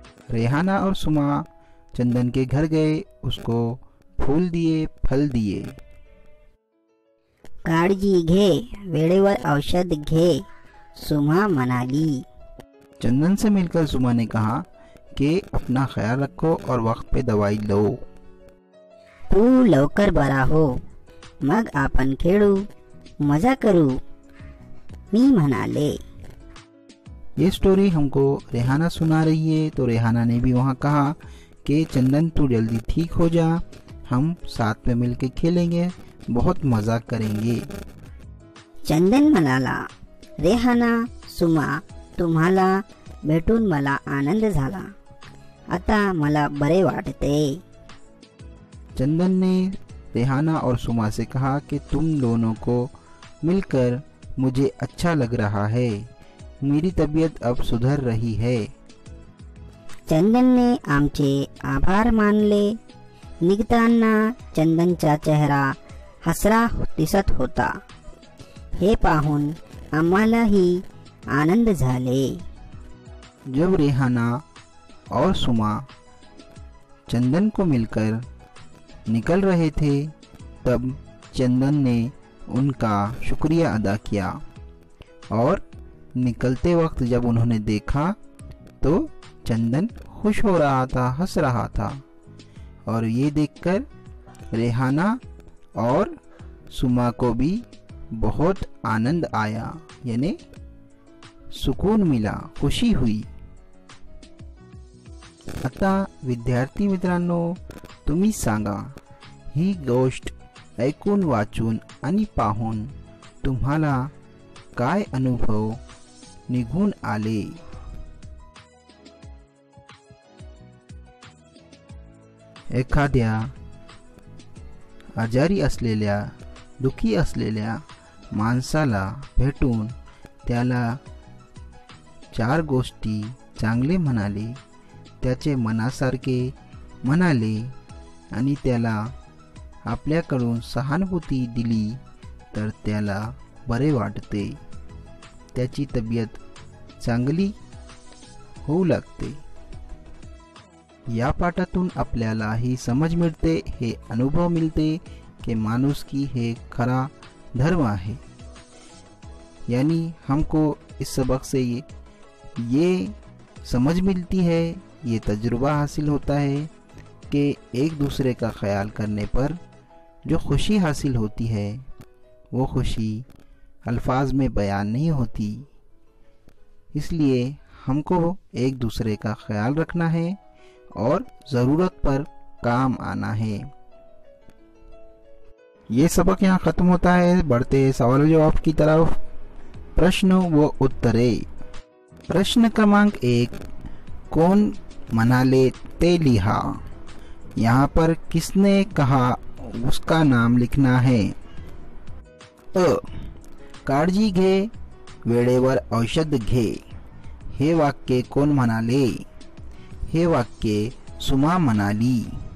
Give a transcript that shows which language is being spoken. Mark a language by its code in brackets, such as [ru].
[hi] रेहाना और सुमा चंदन के घर गए, उसको फूल दिए, फल दिए। [mr] काळजी घे, वेळेवर औषध घे, सुमा मनाली। [hi] चंदन से मिलकर सुमा ने कहा कि अपना ख्याल रखो और वक्त पे दवाई लो। [mr] तू लवकर बरा हो, मग आपन खेळू, मजा करू, मी म्हणाले। [hi] ये स्टोरी हमको रेहाना सुना रही है, तो रेहाना ने भी वहाँ कहा कि चंदन तू जल्दी ठीक हो जा, हम साथ में मिलके खेलेंगे, बहुत मजा करेंगे। [mr] चंदन म्हणाला, रेहाना सुमा तुम्हाला भेटून मला आनंद झाला, आता मला बरे वाटते। [hi] चंदन ने रेहाना और सुमा से कहा कि तुम दोनों को मिलकर मुझे अच्छा लग रहा है, मेरी तबीयत अब सुधर रही है। [mr] चंदन ने आमचे आभार मानले, निघताना चंदनचा चेहरा हसरा दिसत होता, हे पाहून आम्हालाही आनंद झाले। [hi] जब रेहाना और सुमा चंदन को मिलकर निकल रहे थे तब चंदन ने उनका शुक्रिया अदा किया और निकलते वक्त जब उन्होंने देखा तो चंदन खुश हो रहा था, हंस रहा था। और ये देखकर रेहाना और सुमा को भी बहुत आनंद आया, यानी सुकून मिला, खुशी हुई। [mr] आता विद्यार्थी मित्रांनो, तुम्ही सांगा, ही गोष्ट ऐकून वाचून आणि पाहून तुम्हाला काय अनुभव निघून आले? एखाद्या आजारी असलेल्या, दुखी असलेल्या माणसाला भेटून त्याला 4 गोष्टी चांगले म्हणाले, त्याचे मनासारखे म्हणाले आणि त्याला आपल्याकडून सहानुभूती दिली, तर त्याला बरे वाटते, त्याची तब्येत चांगली होऊ लागते। या पाठातून आपल्याला ही समझ मिळते, हे अनुभव मिळते की माणुसकी हे खरा धर्म आहे। [hi] यानी हमको इस सबक से ये समझ मिलती है, ये तजुर्बा हासिल होता है कि एक दूसरे का ख्याल करने पर जो खुशी हासिल होती है वो खुशी अल्फाज में बयान नहीं होती। इसलिए हमको एक दूसरे का ख्याल रखना है और ज़रूरत पर काम आना है। ये सबक यहाँ ख़त्म होता है। बढ़ते सवाल जवाब की तरफ, [mr] प्रश्न व उत्तरे। प्रश्न क्रमांक एक, कौन मनाले ते लिहा, [hi] यहाँ पर किसने कहा उसका नाम लिखना है। [mr] अ, काळजी घे वेळेवर औषध घे, हे वाक्य कौन मनाले, हे वाक्य सुमा मनाली।